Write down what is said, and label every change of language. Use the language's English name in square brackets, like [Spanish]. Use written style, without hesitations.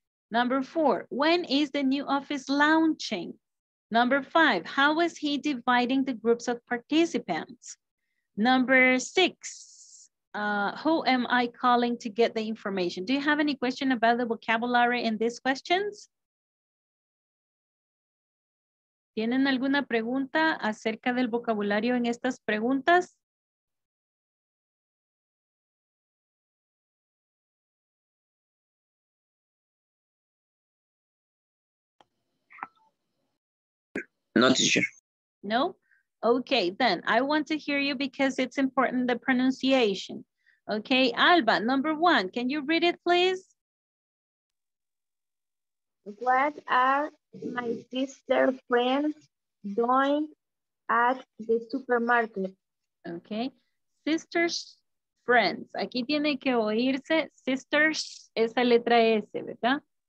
[English] Number four, when is the new office launching? Number five, how is he dividing the groups of participants? Number six, who am I calling to get the information? Do you have any question about the vocabulary in these questions? [Spanish] ¿Tienen alguna pregunta acerca del vocabulario en estas preguntas? [English] Not sure. No? Okay, then I want to hear you because it's important, the pronunciation. Okay, Alba, number one, can you read it, please? What are my sister's friends doing at the supermarket? Okay, sister's friends. [Spanish] Aquí tiene que oírse sister's, esa letra S, ¿verdad?